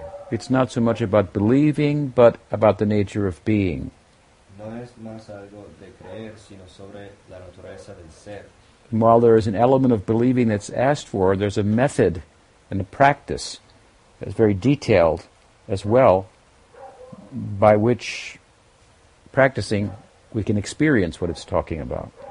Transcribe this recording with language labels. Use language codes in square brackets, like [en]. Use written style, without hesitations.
[en] It's not so much about believing, but about the nature of being. [es] No es más algo de creer, sino sobre la naturaleza del ser. [en] And while there is an element of believing that's asked for, there's a method and a practice that's very detailed as well, by which practicing we can experience what it's talking about.